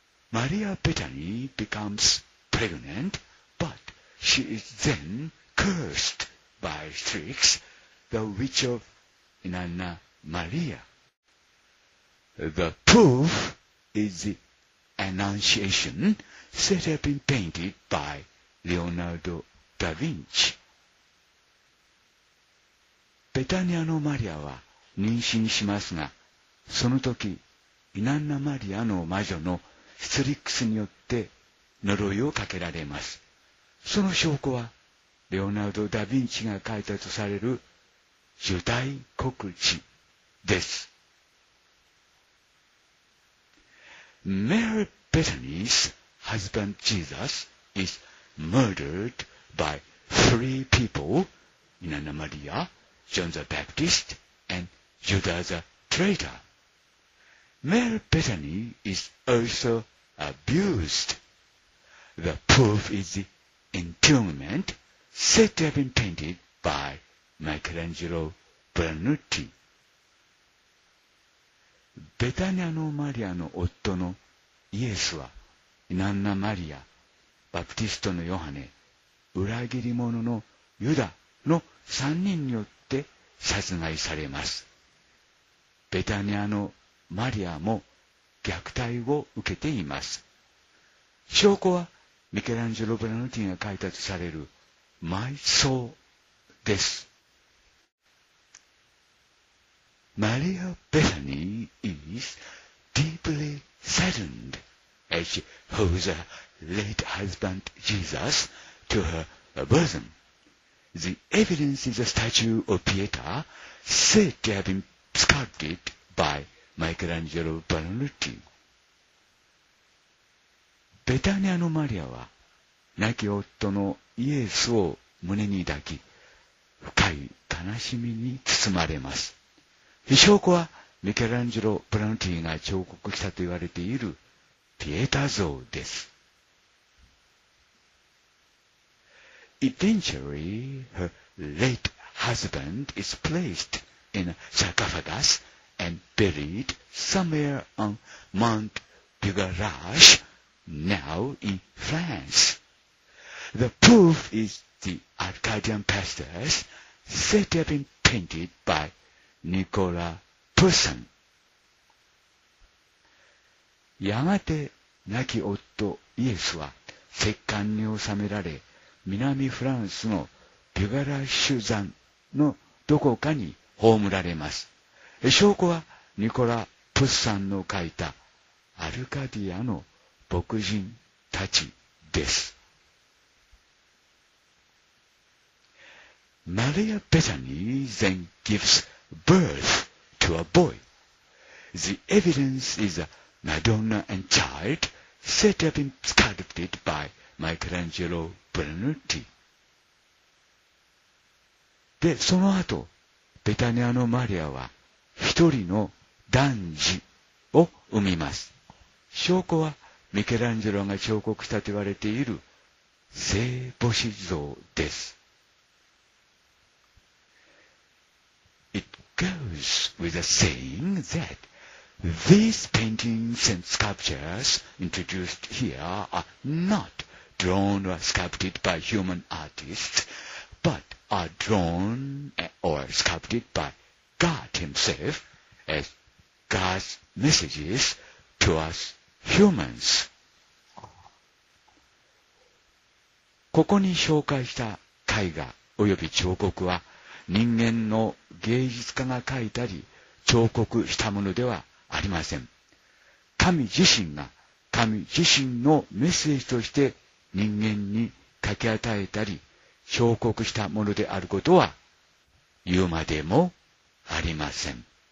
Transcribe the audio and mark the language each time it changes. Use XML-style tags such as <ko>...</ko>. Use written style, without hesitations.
<en>マリア・ベタニー becomes pregnant, but she is then cursed by Strix, the witch of Inanna Maria. The proof is the Annunciation, said to have been painted by Leonardo da Vinci.</en> <ja>ベタニアのマリアは妊娠しますが、その時、イナンナ・マリアの魔女のストリックスによって呪いをかけられます。その証拠は、レオナルド・ダ・ヴィンチが書いたとされる受胎告知です。</ja> <en>Mary Bethany's husband Jesus is murdered by three people, Inanna Maria, John the Baptist, and Judas the traitor. Mary Bethany is also abused. The proof is the entombment said to have been painted by Michelangelo Buonarroti.</en> <ja>ベタニアのマリアの夫のイエスは、イナンナ・マリア、バプティストのヨハネ、裏切り者のユダの3人によって殺害されます。ベタニアのマリアも虐待を受けています。証拠はミケランジェロ・ブラノティが書いたとされる埋葬です。</ja> <en>Maria Bethany is deeply saddened as she holds her late husband Jesus to her bosom. The evidence is a statue of Pietà said to have been sculpted by Michelangelo Buonarroti.</en> <ja>ベタニアのマリアは亡き夫のイエスを胸に抱き、深い悲しみに包まれます。証拠はミケランジェロ・ブラノティが彫刻したと言われているピエタ像です。</ja> <en>Eventually, her late husband is placed in a sarcophagus and buried somewhere on Mount Bugarach, now in France. The proof is the Arcadian pastures said to have been painted byニコラ・プーサン。</en> <ja>やがて亡き夫イエスは石棺に納められ、南フランスのビュガラッシュ山のどこかに葬られます。証拠はニコラ・ プスさんの書いたアルカディアの牧人たちです。</ja> <en>マリア・ベタニー then gives birth to a boy. The evidence is a Madonna and child set up and sculpted by Michelangelo Buonarroti.</en> <ja>で、その後、ベタニアのマリアは一人の男児を産みます。証拠はミケランジェロが彫刻したと言われている聖母子像です。</ja> <en>It goes with a saying that these paintings and sculptures introduced here are not drawn or sculpted by human artists, but are drawn or sculpted by God himself as God's messages to us humans.</en> <ja>ここに紹介した絵画および彫刻は人間の芸術家が描いたり彫刻したものではありません。神自身が神自身のメッセージとして人間に書き与えたり彫刻したものであることは言うまでもありません。</ja>